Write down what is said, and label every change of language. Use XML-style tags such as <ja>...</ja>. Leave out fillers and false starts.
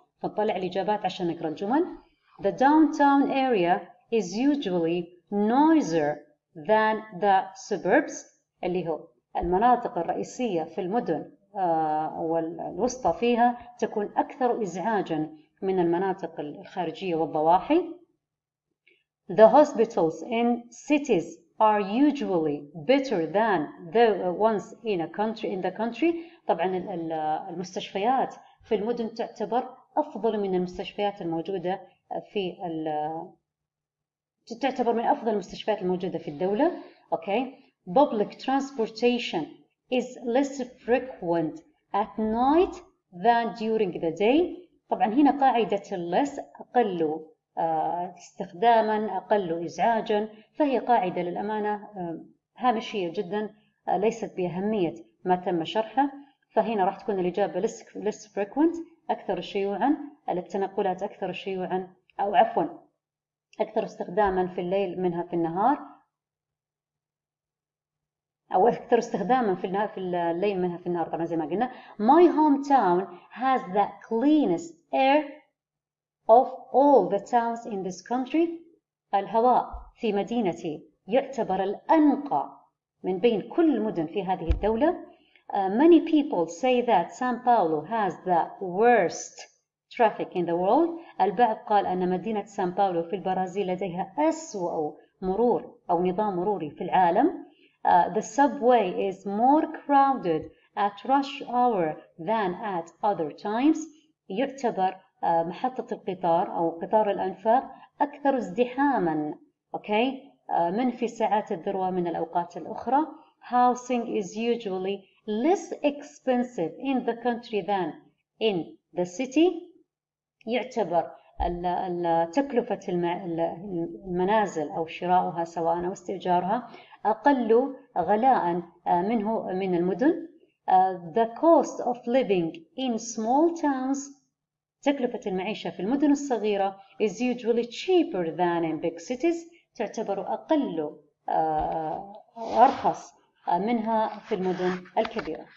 <ar>فنطلع الإجابات عشان نقرأ الجمل.</ar> <en>The downtown area is usually noisier than the suburbs,</en> <ar>اللي هو المناطق الرئيسية في المدن والوسطى فيها تكون أكثر إزعاجاً من المناطق الخارجية والضواحي.</ar> <en>The hospitals in cities are usually better than the ones in a country, in the country.</en> <ar>طبعاً المستشفيات في المدن تعتبر أفضل من المستشفيات الموجودة في تعتبر من أفضل المستشفيات الموجودة في الدولة.</ar> <en>Okay. Public transportation is less frequent at night than during the day.</en> <ar>طبعا هنا قاعدة less أقل استخداما, أقل إزعاجا, فهي قاعدة للأمانة هامشية جدا ليست بأهمية ما تم شرحه. فهنا راح تكون الإجابة</ar> <en>less frequent,</en> <ar>أكثر شيوعا, التنقلات أكثر شيوعا أو عفوا أكثر استخداما في الليل منها في النهار. أو أكثر استخداماً في النهار في الليل منها في النهار طبعاً زي ما قلنا.</ar> <en>My hometown has the cleanest air of all the towns in this country.</en> <ar>الهواء في مدينتي يعتبر الأنقى من بين كل المدن في هذه الدولة.</ar> <en>Many people say that San Paulo has the worst traffic in the world.</en> <ar>البعض قال أن مدينة سان باولو في البرازيل لديها أسوأ مرور أو نظام مروري في العالم.</ar> <en>The subway is more crowded at rush hour than at other times.</en> <ar>يعتبر محطة القطار أو قطار الأنفاق أكثر ازدحاماً okay. من في ساعات الذروة من الأوقات الأخرى.</ar> <en>Housing is usually less expensive in the country than in the city.</en> <ar>يعتبر تكلفة المنازل أو شراؤها سواء أو استئجارها أقل غلاء منه من المدن.</ar> <en>The cost of living in small towns,</en> <ar>تكلفة المعيشة في المدن الصغيرة,</ar> <en>is usually cheaper than in big cities,</en> <ar>تعتبر أقل أرخص منها في المدن الكبيرة.</ar>